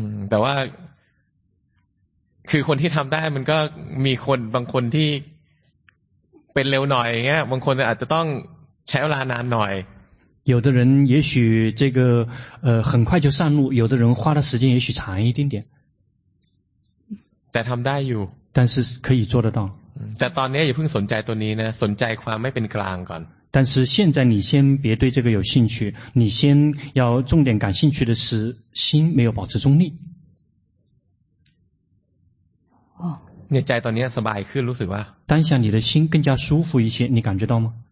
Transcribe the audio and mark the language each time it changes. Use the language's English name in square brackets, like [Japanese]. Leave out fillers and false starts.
[Thai] แต่ว่าคือคนที่ทำได้มันก็มีคนบางคนที่เป็นเร็วหน่อยเงี้ยบางคนอาจจะต้องใช้เวลานานหน่อย [Chinese] 有的人也许这个很快就上路有的人花的时间也许长一点点 [Thai] แต่ทำได้อยู่ [Chinese] 但是可以做得到 [Thai] แต่ตอนนี้อย่าเพิ่งสนใจตัวนี้นะสนใจความไม่เป็นกลางก่อน [Chinese] 但是现在你先别对这个有兴趣你先要重点感兴趣的是心没有保持中立你的心现在舒服了感觉吗当下你的心更加舒服一些你感觉到吗